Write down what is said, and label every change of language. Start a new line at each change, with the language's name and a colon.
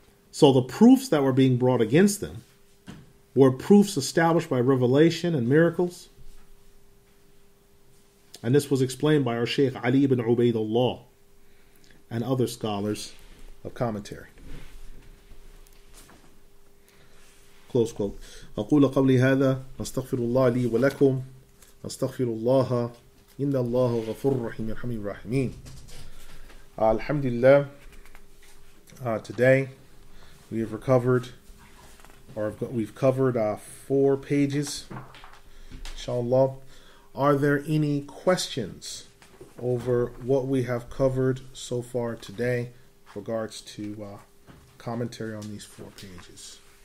English: So the proofs that were being brought against them were proofs established by revelation and miracles. And this was explained by our Shaykh Ali ibn Ubaidullah and other scholars of commentary. close quote.
Arabic: أقول قبلي هذا أستغفر الله لي ولكم أستغفر الله إن الله غفور رحيم الحمد الرحيمين. Alhamdulillah.
English: Today we have recovered, or we've covered 4 pages. Inshallah. Are there any questions over what we have covered so far today with regards to commentary on these 4 pages?